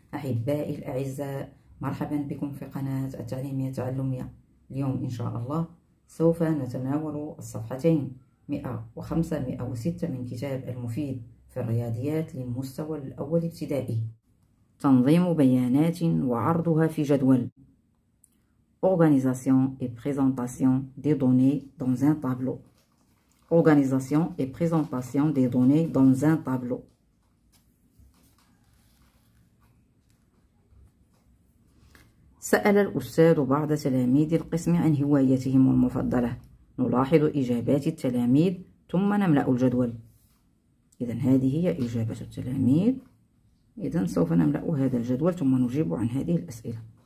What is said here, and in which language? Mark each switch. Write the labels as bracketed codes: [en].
[ar] أحبائي الأعزاء، مرحبا بكم في قناة التعليمية التعلمية. اليوم إن شاء الله سوف نتناول الصفحتين 105 و106 من كتاب المفيد في الرياضيات للمستوى الأول ابتدائي، تنظيم بيانات وعرضها في جدول. [fr] Organisation et présentation des données dans un tableau. Organisation et présentation des données dans un tableau. [ar] سأل الأستاذ بعض تلاميذ القسم عن هوايتهم المفضلة. نلاحظ إجابات التلاميذ ثم نملأ الجدول. إذا هذه هي إجابة التلاميذ. إذا سوف نملأ هذا الجدول ثم نجيب عن هذه الأسئلة.